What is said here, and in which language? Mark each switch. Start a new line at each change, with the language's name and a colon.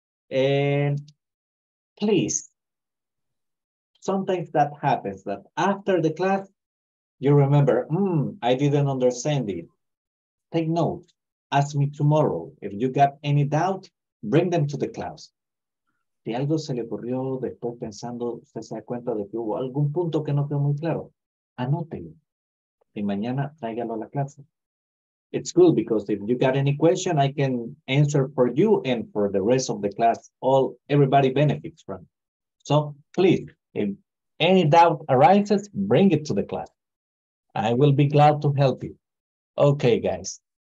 English: And please, sometimes that happens, that after the class, you remember, I didn't understand it. Take note, ask me tomorrow. If you got any doubt, bring them to the class.
Spanish: Si algo se le ocurrió después pensando, usted se da cuenta de que hubo algún punto que no quedó muy claro, anótelo. Y mañana tráigalo a la clase.
English: It's cool because if you got any question, I can answer for you and for the rest of the class. Everybody benefits from it. So please, if any doubt arises, bring it to the class. I will be glad to help you. Okay, guys.